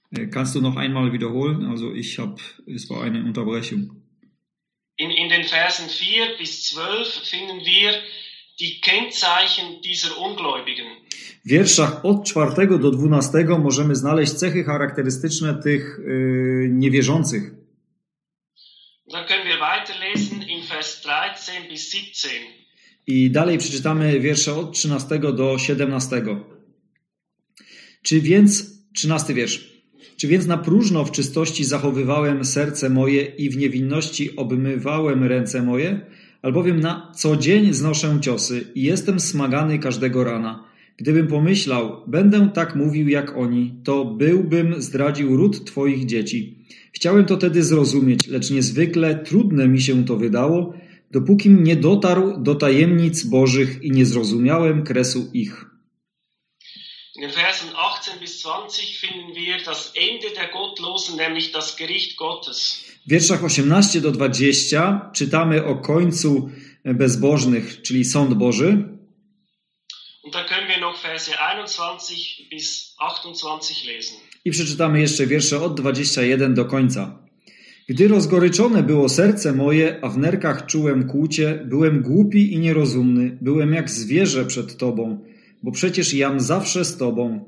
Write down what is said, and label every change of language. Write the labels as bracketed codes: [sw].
[de] Kannst du noch einmal wiederholen? Also es war eine Unterbrechung. In den Versen 4 bis 12 finden wir die Kennzeichen dieser Ungläubigen. [pl] W wierszach od 4 do 12 możemy znaleźć cechy charakterystyczne tych niewierzących. [de] Dann können wir weiterlesen in Vers 13 bis 17. [pl] I dalej przeczytamy wiersze od 13 do 17. Czy więc na próżno w czystości zachowywałem serce moje i w niewinności obmywałem ręce moje? Albowiem na co dzień znoszę ciosy i jestem smagany każdego rana. Gdybym pomyślał, będę tak mówił jak oni, to byłbym zdradził ród twoich dzieci. Chciałem to tedy zrozumieć, lecz niezwykle trudne mi się to wydało, dopóki nie dotarł do tajemnic Bożych i nie zrozumiałem kresu ich. [de] In Versen 18 bis 20 finden wir das Ende der Gottlosen, nämlich das Gericht Gottes. [pl] W wierszach 18 do 20 czytamy o końcu bezbożnych, czyli sąd Boży. [de] Und da können wir noch Verse 21 bis 28 lesen. [pl] I przeczytamy jeszcze wiersze od 21 do końca. Gdy rozgoryczone było serce moje, a w nerkach czułem kłucie, byłem głupi i nierozumny, byłem jak zwierzę przed Tobą, bo przecież jam zawsze z Tobą.